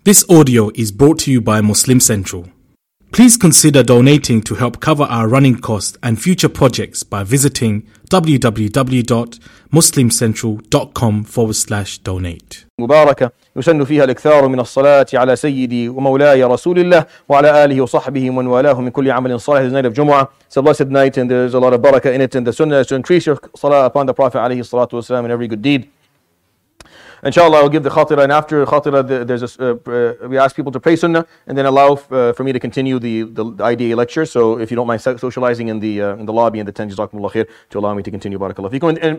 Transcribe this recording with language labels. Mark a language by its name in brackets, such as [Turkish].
[English] This audio is brought to you by Muslim Central. Please consider donating to help cover our running costs and future projects by visiting www.muslimcentral.com/donate. [Arabic] مباركة يسن فيها الاكثار من الصلاة على سيدي ومولاي رسول الله وعلى آله وصحبه ومن والاه من كل عمل صالح. [English] It's the night of Jumu'ah. It's a blessed night and there's a lot of barakah in it, and the sunnah is to increase your salah upon the Prophet عليه الصلاة والسلام in every good deed. Inshallah, I'll give the khatira, and after khatira, we ask people to pray sunnah, and then allow for me to continue the IDA lecture. So if you don't mind socializing in the lobby and the tent, jazakumullah khair, to allow me to continue, barakallahu feekum.